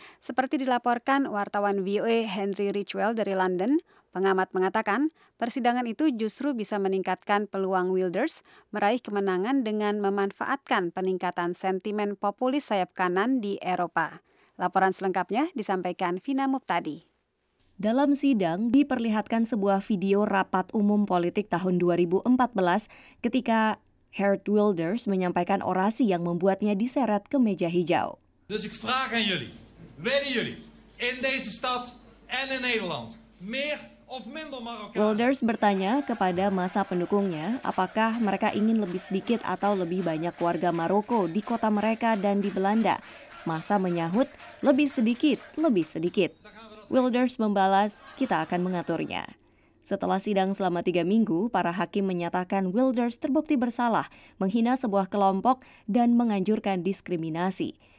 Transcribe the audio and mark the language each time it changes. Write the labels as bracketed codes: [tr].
[id] Seperti dilaporkan wartawan VOA Henry Richwell dari London, pengamat mengatakan persidangan itu justru bisa meningkatkan peluang Wilders meraih kemenangan dengan memanfaatkan peningkatan sentimen populis sayap kanan di Eropa. Laporan selengkapnya disampaikan Vina Mubtadi. Dalam sidang diperlihatkan sebuah video rapat umum politik tahun 2014 ketika Geert Wilders menyampaikan orasi yang membuatnya diseret ke meja hijau. [nl] Dus ik vraag aan jullie, willen jullie in deze stad en in Nederland meer of minder Marokkanen? [id] Wilders bertanya kepada massa pendukungnya apakah mereka ingin lebih sedikit atau lebih banyak warga Maroko di kota mereka dan di Belanda. Massa menyahut, lebih sedikit, lebih sedikit. Wilders membalas, kita akan mengaturnya. Setelah sidang selama 3 minggu, para hakim menyatakan Wilders terbukti bersalah, menghina sebuah kelompok, dan menganjurkan diskriminasi.